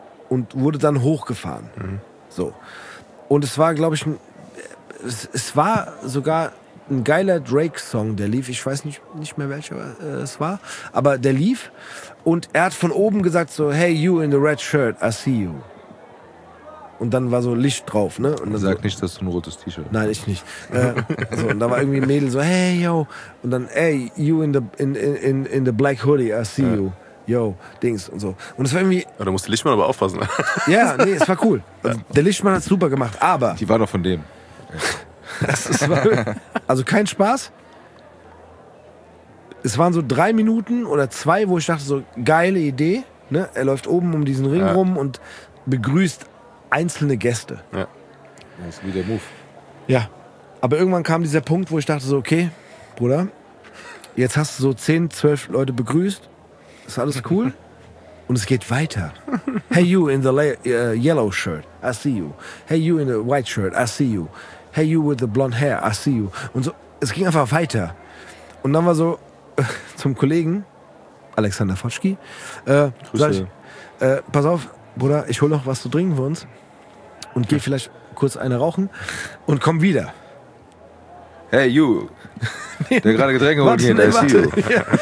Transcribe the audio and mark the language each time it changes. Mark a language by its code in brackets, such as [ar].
[de] Und wurde dann hochgefahren. Mhm. So. Und es war, glaube ich, es war sogar ein geiler Drake-Song, der lief. Ich weiß nicht mehr, welcher es war. Aber der lief. Und er hat von oben gesagt so, [en] hey, you in the red shirt, I see you. [de] und dann war so Licht drauf, ne? Und dann sag so, nicht, dass du ein rotes T-Shirt. Nein, ich nicht. So, und da war irgendwie ein Mädel so, hey, yo. Und dann, [en] hey, you in the black hoodie, I see you. [de] Yo, Dings und so. Und es war irgendwie... Ja, da musste Lichtmann aber aufpassen. Ja, nee, es war cool. Ja. Der Lichtmann hat es super gemacht, aber... Die war doch von dem. Es war, also kein Spaß. Es waren so 3 Minuten oder 2, wo ich dachte so, geile Idee. Ne? Er läuft oben um diesen Ring rum und begrüßt einzelne Gäste. Ja, das ist wie der Move. Ja, aber irgendwann kam dieser Punkt, wo ich dachte so, okay, Bruder, jetzt hast du so 10, 12 Leute begrüßt. Ist alles cool? Und es geht weiter. [en] Hey you in the yellow shirt, I see you. Hey you in the white shirt, I see you. Hey you with the blonde hair, I see you. [de] Und so, es ging einfach weiter. Und dann war so zum Kollegen, Alexander Fotschki. Grüße. Pass auf, Bruder, ich hol noch was zu trinken für uns. Und geh vielleicht kurz eine rauchen und komm wieder. [en] Hey you, [de] der gerade Getränke holt hier, [en] I see you. [de] Ja,